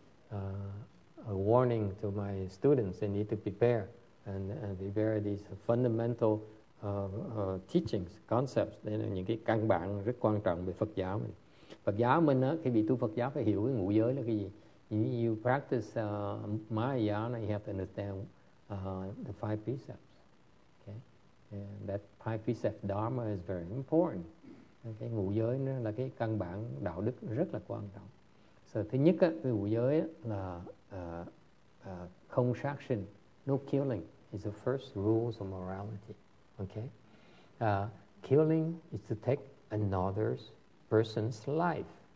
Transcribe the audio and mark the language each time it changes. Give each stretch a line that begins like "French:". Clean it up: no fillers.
English: So this is a warning to my students. They need to prepare and prepare these fundamental teachings, concepts.
Vietnamese: Đây là những cái căn bản rất quan trọng về Phật giáo mình. Phật giáo mình á, khi bị tu Phật giáo phải hiểu cái ngũ giới là cái gì.
English: You practice Mahayana, you have to understand the five precepts. Okay, and that five precept dharma is very important.
Vietnamese: Cái ngũ giới nó là cái căn bản đạo đức rất là quan trọng. So, thứ nhất á, cái ngũ giới á, là không sát sinh,
English: no killing is the first rules of morality. Okay, killing is to take another's person's life.